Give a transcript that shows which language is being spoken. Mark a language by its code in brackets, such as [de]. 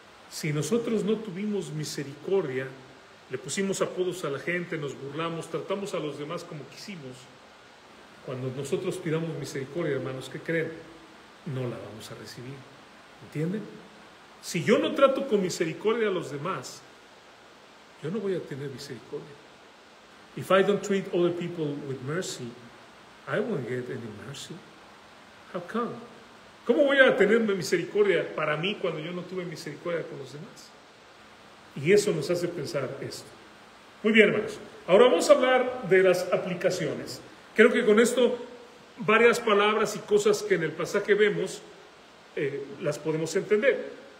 [es] Si nosotros no tuvimos misericordia, le pusimos apodos a la gente, nos burlamos, tratamos a los demás como quisimos, cuando nosotros pidamos misericordia, hermanos, ¿qué creen? No la vamos a recibir. ¿Entienden? Si yo no trato con misericordia a los demás, yo no voy a tener misericordia. [en] If I don't treat other people with mercy, I won't get any mercy. How come? [es] ¿Cómo voy a tener misericordia para mí cuando yo no tuve misericordia con los demás? Y eso nos hace pensar esto. Muy bien, hermanos. Ahora vamos a hablar de las aplicaciones. Creo que con esto, varias palabras y cosas que en el pasaje vemos, las podemos entender.